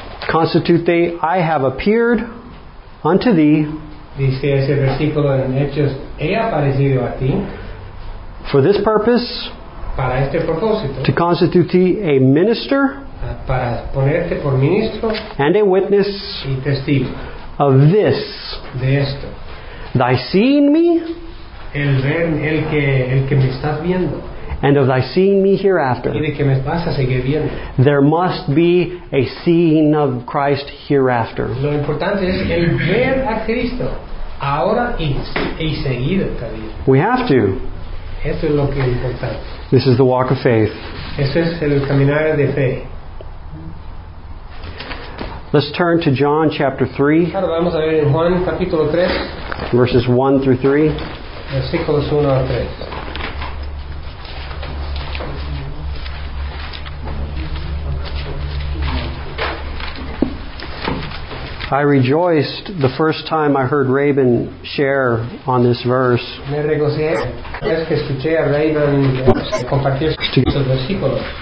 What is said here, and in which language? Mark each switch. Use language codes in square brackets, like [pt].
[en] Constitute they, I have appeared unto thee. [es] Dice ese versículo en Hechos, he aparecido a ti. [en] For this purpose. [es] Para este propósito, [en] to constitute thee a minister [es] para ponerte por ministro, [en] and a witness [es] y testigo, [en] of this, [es] de esto, [en] thy seeing me, [es] el ver, el que me estás viendo, [en] and of thy seeing me hereafter. [es] Y de que me vas a seguir viendo. [en] There must be a seeing of Christ hereafter. [es] Lo importante es el ver a Cristo ahora y seguido también. [en] We have to. [es] Esto es lo que es importante. [en] This is the walk of faith. [es] Ese es el caminar de fe. [en] Let's turn to John chapter 3. [es] Claro, vamos a ver en Juan capítulo 3. [en] Verses 1 through 3. [es] Versículos 1 a 3. [en] I rejoiced the first time I heard Rabin share on this verse. [es] Me regocijé es que escuché a Rabin compartir estos versículos.